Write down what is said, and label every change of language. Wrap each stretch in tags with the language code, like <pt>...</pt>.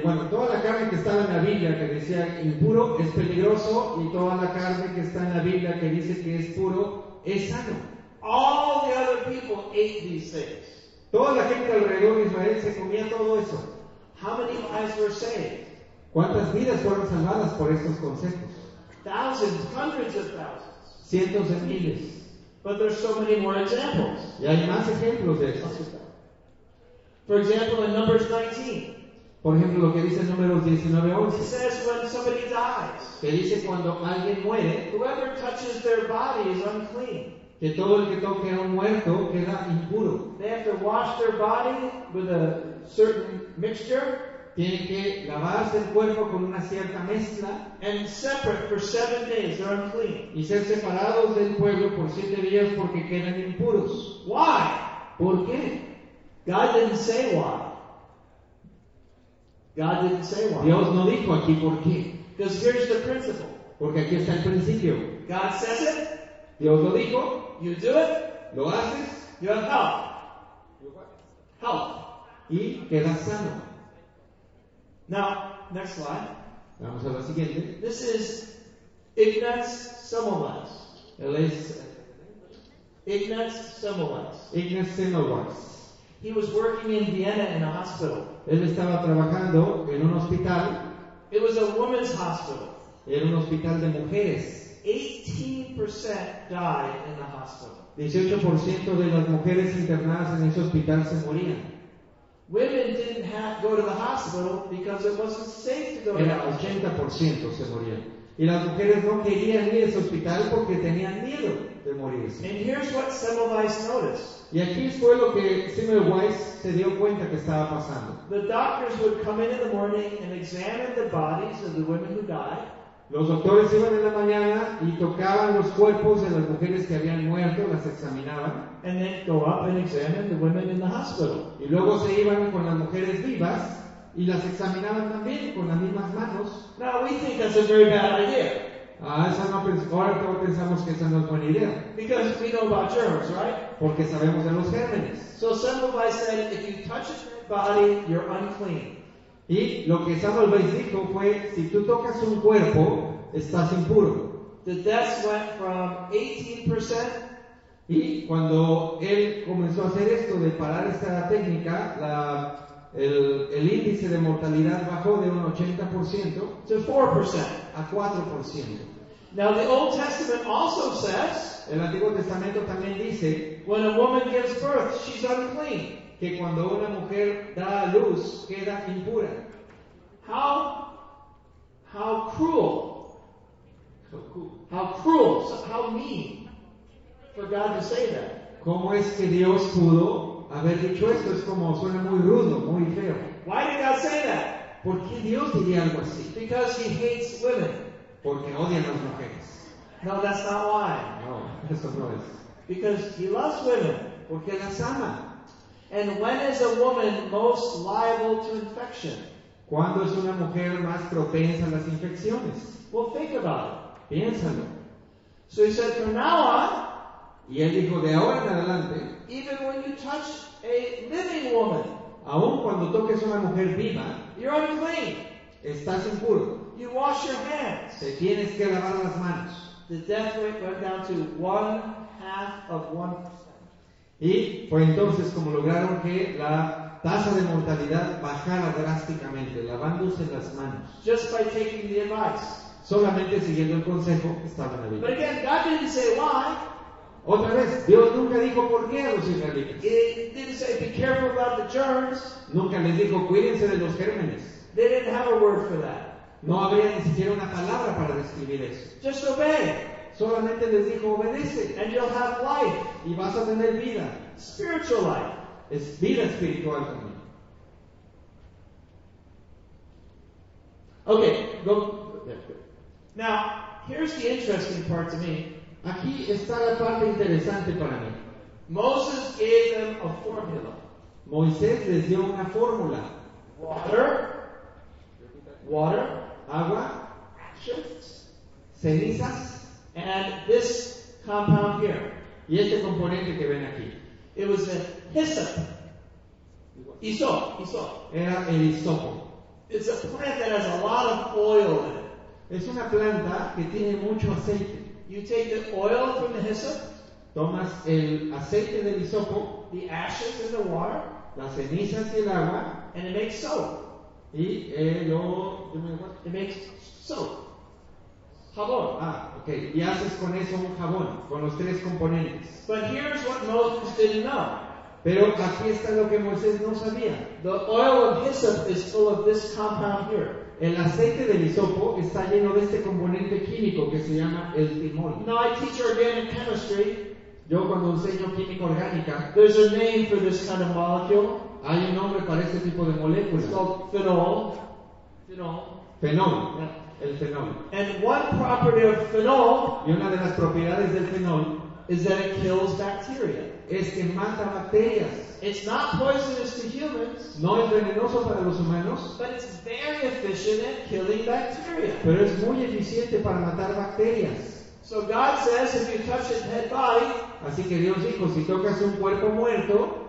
<es>Toda la carne que estaba en la Biblia que decía impuro es peligroso y toda la carne que está en la Biblia que dice que es puro es sano.</es> <en>All the other people ate these things.</en> <es>Toda la gente alrededor de Israel se comía todo eso.</es> <en>How many lives were saved?</en> <es>¿Cuántas vidas fueron salvadas por estos conceptos?</es> <en>Thousands, hundreds of thousands.</en> <es>Cientos de miles.</es> <en>But there's so many more examples.</en> <es>Y hay más ejemplos de eso.</es> <en>For example, in Numbers 19.</en> <es>Por ejemplo, lo que dice en Números 19:11.</es> <en>It says when somebody dies.</en> <es>Que dice cuando alguien muere.</es> <en>Whoever touches their body is unclean.</en> <es>Que todo el que toque a un muerto queda impuro.</es> <en>They have to wash their body with a certain mixture.</en> <es>Tiene que lavarse el cuerpo con una cierta mezcla.</es> <en>And separate for 7 days, they're unclean.</en> <es>Y ser separados del pueblo por 7 días porque quedan impuros.</es> <en>Why?</en> <es>¿Por qué?</es> <en>God didn't say why. God didn't say why.</en> <es>Dios no dijo aquí por qué.</es> <en>Because here's the principle.</en> <es>Porque aquí está el principio.</es> <en>God says it.</en> <es>Dios lo dijo.</es> <en>You do it.</en> <es>Lo haces.</es> <en>You have health. Health.</en> <es>Y quedas sano.</es> <en>Now, next slide.</en> <es>Vamos a la siguiente.</es> <en>This is Ignaz Semmelweis.</en> <es>Él es Ignaz Semmelweis. Ignaz Semmelweis.</es> <en>He was working in Vienna in a hospital.</en> <es>Él estaba trabajando en un hospital.</es> <en>It was a women's hospital.</en> <es>Era un hospital de mujeres.</es> <en>18% died in the hospital.</en> <es>18% de las mujeres internadas en ese hospital se morían.</es> <en>Women didn't have to go to the hospital because it wasn't safe to go.</en> <es>Era 80% se morían. Y las mujeres no querían ir a ese hospital porque tenían miedo de morirse.</es> <en>And here's what Semmelweis noticed.</en> <es>Y aquí fue lo que Semmelweis se dio cuenta que estaba pasando.</es> <en>The doctors would come in the morning and examine the bodies of the women who died.</en> <es>Los doctores iban en la mañana y tocaban los cuerpos de las mujeres que habían muerto, las examinaban.</es> <en>And then go up and examine the women in the hospital.</en> <es>Y luego se iban con las mujeres vivas y las examinaban también con las mismas manos.</es> <en>Now we think that's a very bad idea.</en> <es>Ahora todos pensamos que esa no es buena idea.</es> <en>Because we know about germs, right?</en> <es>Porque sabemos de los gérmenes.</es> <en>So Semmelweis said, if you touch a dead body, you're unclean.</en> <es>Y lo que Semmelweis dijo fue, si tú tocas un cuerpo, estás impuro.</es> <en>The deaths went from 18%.</en> <es>Y cuando él comenzó a hacer esto, de parar esta técnica, el índice de mortalidad bajó de un 80%</es> <en>to 4%.</en> <es>A 4%.</es> <en>Now the Old Testament also says,</en> <es>el Antiguo Testamento también dice,</es> <en>when a woman gives birth, she's unclean.</en> <es>Que cuando una mujer da a luz, queda impura.</es> <en>How cruel. How cruel. How mean. For God to say that.</en> <es>¿Cómo es que Dios pudo haber dicho esto? Es como, suena muy rudo, muy feo.</es> <en>Why did God say that?</en> <es>¿Por qué Dios diría algo así?</es> <en>Because he hates women.</en> <es>Porque odia a las mujeres.</es> <en>No, that's not why.</en> <es>No, eso no es.</es> <en>Because he loves women.</en> <es>Porque las ama.</es> <en>And when is a woman most liable to infection?</en> <es>¿Cuándo es una mujer más propensa a las infecciones?</es> <en>Well, think about it.</en> <es>Piénsalo.</es> <en>So he said, from now on.</en> <es>Y él dijo, de ahora en adelante.</es> <en>Even when you touch a living woman.</en> <es>Aún cuando toques una mujer viva.</es> <en>You're unclean.</en> <es>Estás impuro.</es> <en>You wash your hands.</en> <es>Te tienes que lavar las manos.</es> <en>The death rate went down to 0.5%.</en> <es>Y fue entonces como lograron que la tasa de mortalidad bajara drásticamente, lavándose las manos.</es> <en>Just by taking the advice.</en> <es>Solamente siguiendo el consejo que estaba en la Biblia.</es> <en>But again, God didn't say why.</en> <es>Otra vez, Dios nunca dijo por qué a los israelitas.</es> <en>He didn't say be careful about the germs.</en> <es>Nunca les dijo cuídense de los gérmenes.</es> <en>They didn't have a word for that.</en> <es>No había ni siquiera una palabra para describir eso.</es> <en>Just obey.</en> <es>Solamente les dijo obedece.</es> <en>And you'll have life.</en> <es>Y vas a tener vida.</es> <en>Spiritual life.</en> <es>Es vida espiritual también.</es> <en>Okay, go. Now, here's the interesting part to me.</en> <es>Aquí está la parte interesante para mí.</es> <en>Moses gave them a formula.</en> <es>Moisés les dio una fórmula.</es> <en>Water. Water.</en> <es>Agua.</es> <en>Ashes.</en> <es>Cenizas.</es> <en>And this compound here.</en> <es>Y este componente que ven aquí.</es> <en>It was a hyssop. Hisopo.</en> <es>Era el hisopo.</es> <en>It's a plant that has a lot of oil in it.</en> <es>Es una planta que tiene mucho aceite.</es> <en>You take the oil from the hyssop.</en> <es>Tomas el aceite del hisopo.</es> <en>The ashes and the water.</en> <es>Las cenizas y el agua.</es> <en>And it makes soap.</en> <es>Y lo...</es> <en>What? It makes soap. Jabón. Ah, okay.</en> <es>Y haces con eso un jabón, con los tres componentes.</es> <en>But here's what Moses didn't know.</en> <es>Pero aquí está lo que Moisés no sabía.</es> <en>The oil of hyssop is full of this compound here.</en> <es>El aceite del hisopo está lleno de este componente químico que se llama el timol.</es> <en>Now I teach organic chemistry.</en> <es>Yo cuando enseño química orgánica.</es> <en>There's a name for this kind of molecule.</en> <es>Hay un nombre para este tipo de molécula.</es> <en>It's called phenol.</en> <es>Phenol. Yeah. El phenol.</es> <en>And one property of phenol.</en> <es>Y una de las propiedades del phenol.</es> <en>Is that it kills bacteria.</en> <es>Es que mata bacterias.</es> <en>It's not poisonous to humans.</en> <es>No es venenoso para los humanos.</es> <en>But it's very efficient at killing bacteria.</en> <es>Pero es muy eficiente para matar bacterias.</es> <en>So God says if you touch a dead body.</en> <es>Así que Dios dijo, si tocas un cuerpo muerto.</es>